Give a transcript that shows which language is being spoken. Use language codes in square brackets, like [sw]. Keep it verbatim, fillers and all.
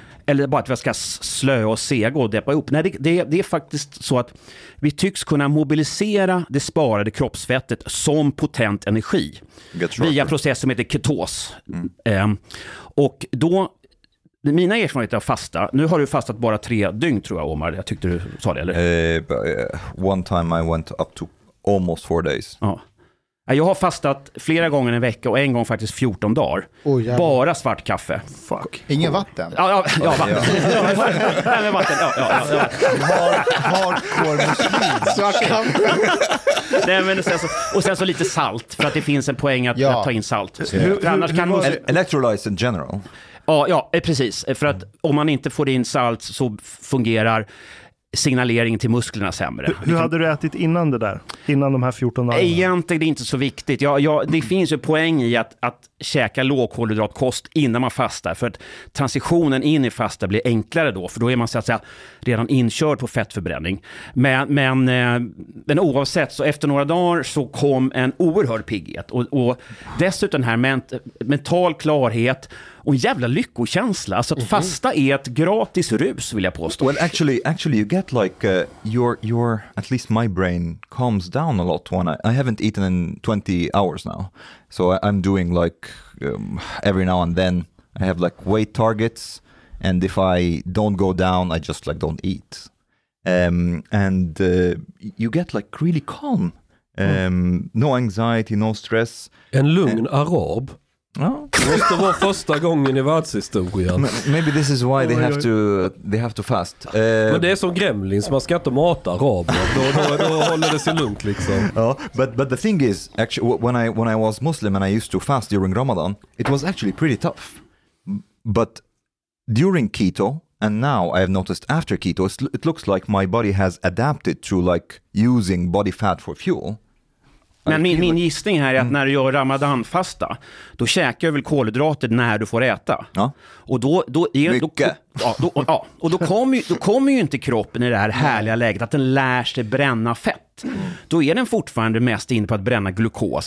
[sv] Eller bara att vi ska slöa och sega och deppa ihop? Nej, det, det, det är faktiskt så att vi tycks kunna mobilisera det sparade kroppsfettet som potent energi via en process som heter ketos. Mm. Eh, och då, mina erfarenheter av fasta, nu har du fastat bara tre dygn tror jag, Omar, jag tyckte du sa det, eller? [en] Uh, but, uh, one time I went up to almost four days. [sv] Ja. Jag har fastat flera gånger en vecka och en gång faktiskt fjorton dagar. Oh, bara svart kaffe. Fuck. Ingen vatten? Ja, ja, ja vatten. Nej, men vatten. Ja, ja, ja. [en] Hardcore muslim. [sv] Svart kaffe. Nej, men sen så, och sen så lite salt, för att det finns en poäng att, ja. att ta in salt. Ja. Hur, annars hur, kan man... [en] Electrolytes in general. [sv] Ja, ja, precis. För att om man inte får in salt så fungerar... signaleringen till musklerna sämre. Hur, hur hade du ätit innan det där? Innan de här fjorton dagarna? Egentligen är det inte så viktigt. Jag, jag, det finns ju poäng i att, att käka lågkolhydratkost innan man fastar, för att transitionen in i fasta blir enklare då, för då är man så att säga redan inkörd på fettförbränning. Men, men, men oavsett så efter några dagar så kom en oerhörd pigghet och, och dessutom den här ment, mental klarhet och en jävla lyckokänsla. Alltså att mm-hmm. fasta är ett gratis rus, vill jag påstå. [en] Well, actually, actually you get like uh, your, your, at least my brain calms down a lot when I, I haven't eaten in twenty hours now. So I, I'm doing like um, every now and then I have like weight targets, and if I don't go down, I just like don't eat. Um, and uh, you get like really calm. Um, mm. No anxiety, no stress. [sv] En lugn and- arab. [en] No. [sv] Det måste vara första gången i världshistorien. [en] Maybe this is why they have to they have to fast. [sv] Uh, Men det är som Gremlins, man ska inte mata araber. då, då, då håller det sig lugnt liksom. [en] Oh, but but the thing is actually when I when I was Muslim and I used to fast during Ramadan, it was actually pretty tough. But during keto and now I have noticed after keto it looks like my body has adapted to like using body fat for fuel. [sv] Men min, min gissning här är att mm. när du gör ramadanfasta, då käkar du väl kolhydrater när du får äta. Ja. Och då, då är mycket. Då, ja, då, och, ja, och då kommer ju, då kommer ju inte kroppen i det här härliga läget att den lär sig bränna fett. Mm. Då är den fortfarande mest inne på att bränna glukos,